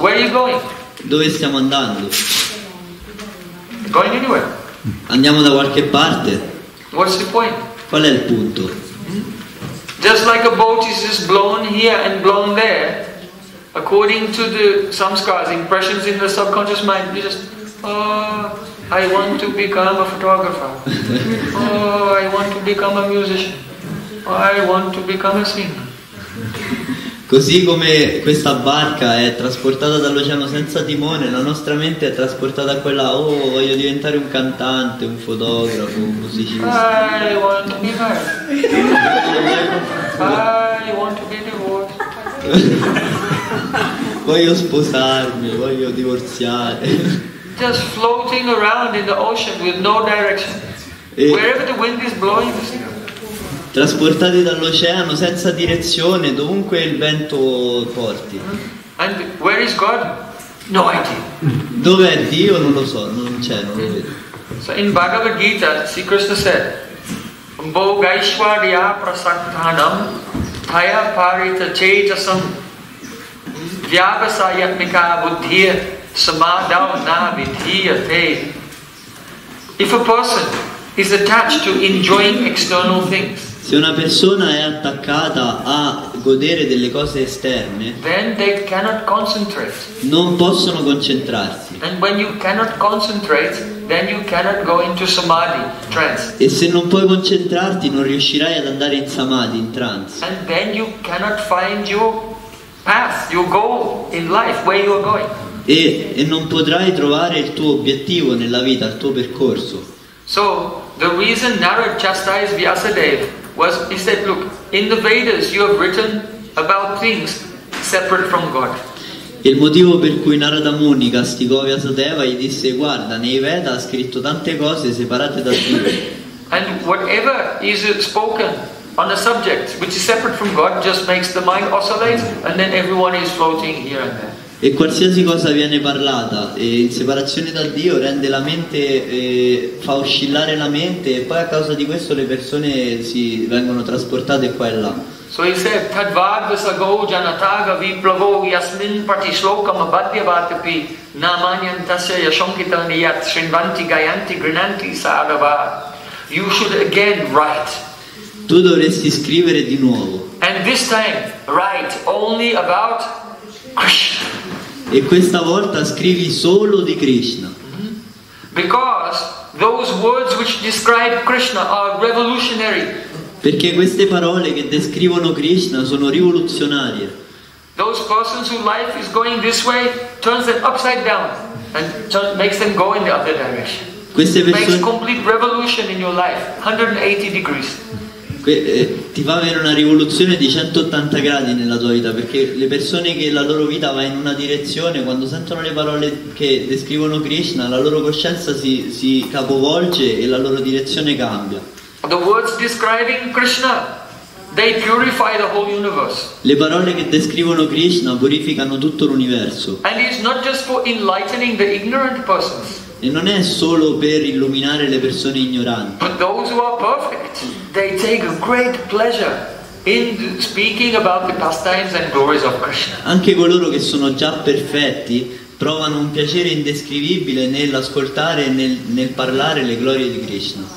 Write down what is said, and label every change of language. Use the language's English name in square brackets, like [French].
[English] Where are you going? [Italian] Dove stiamo andando? [English] Going anywhere. [Italian] Andiamo da qualche parte. [English] What's the point? [Italian] Qual è il punto? [English] Just like a boat is just blown here and blown there, according to the samskaras, impressions in the subconscious mind, you just, oh, I want to become a photographer. Oh, I want to become a musician. Oh, I want to become a singer. [Italian] Così come questa barca è trasportata dall'oceano senza timone, la nostra mente è trasportata a quella, oh, voglio diventare un cantante, un fotografo, un musicista. [English] I want to be married. I want to be divorced. [Italian] Voglio sposarmi, voglio divorziare. [English] Just floating around in the ocean with no direction. Wherever the wind is blowing, you see. [Italian] Trasportati dall'oceano senza direzione, dovunque il vento porti. [English] And where is God? No idea. [Italian] Dov'è Dio? Non lo so, non c'è, non lo vedo. [English] So in Bhagavad Gita, Sri Krishna said, [Sanskrit] Bhogaishwarya prasaktanam thaya parita chetasam vyavasayatmika buddhiya samadavna vidhiya te. [English] If a person is attached to enjoying external things, [Italian] se una persona è attaccata a godere delle cose esterne, [English] then they cannot concentrate. [Italian] Non possono concentrarsi. [English] And when you cannot concentrate, then you cannot go into samadhi, trance. [Italian] E se non puoi concentrarti, non riuscirai ad andare in samadhi, in trance. [English] And then you cannot find your path, your goal in life, where you are going. [Italian] E non potrai trovare il tuo obiettivo nella vita, il tuo percorso. [English] So the reason Narada chastised Vyasadeva was, he said, look, in the Vedas you have written about things separate from God. [Italian] Il motivo per cui Narada Muni castigò Vyasadeva gli disse, guarda, nei Veda ha scritto tante cose separate da Dio. [English] And whatever is spoken on a subject which is separate from God just makes the mind oscillate and then everyone is floating here and there. [Italian] E qualsiasi cosa viene parlata in separazione da Dio rende la mente, fa oscillare la mente e poi a causa di questo le persone si vengono trasportate qua e là. [English] So he said, [Sanskrit] Tadvagvasa gojanataga viplavo yasmin pati shlokam abadhyavatapi namanyantasya yashankitani yat srinvanti gayanti grinanti sarava. [English] You should again write. [Italian] Tu dovresti scrivere di nuovo. [English] And this time write only about Krishna. [Italian] E questa volta scrivi solo di Krishna. [English] Because those words which describe Krishna are revolutionary. [Italian] Perché queste parole che descrivono Krishna sono rivoluzionarie. [English] Those persons whose life is going this way turns them upside down and makes them go in the other direction. [Italian] Queste persone [English] makes complete revolution in your life, 180 degrees. [Italian] Ti fa avere una rivoluzione di 180 gradi nella tua vita, perché le persone che la loro vita va in una direzione, quando sentono le parole che descrivono Krishna, la loro coscienza si capovolge e la loro direzione cambia. [English] The words describing Krishna They purify the whole universe. [Italian] Le parole che descrivono Krishna purificano tutto l'universo. [English] And it's not just for enlightening the ignorant persons. [Italian] E non è solo per illuminare le persone ignoranti. [English] But those who are perfect, they take great pleasure in speaking about the pastimes and glories of Krishna. [Italian] Anche coloro che sono già perfetti provano un piacere indescrivibile nell'ascoltare e nel parlare le glorie di Krishna.